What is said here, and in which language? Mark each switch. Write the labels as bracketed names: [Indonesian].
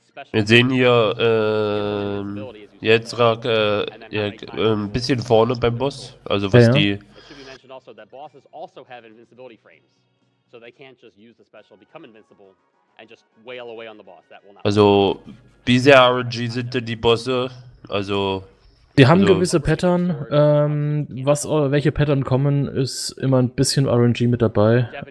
[German] Wir sehen hier Jetzrak ein bisschen vorne beim Boss. Also was die... Also, dass Bosses auch haben Invincibility-Frames. [English] So they can't just use the special, become invincible, and just wail away on the boss. That will not. [German] Also, wie sehr RNG sind denn die Bosse? Also. Die haben gewisse Pattern. Welche Pattern kommen, ist immer ein bisschen RNG mit dabei.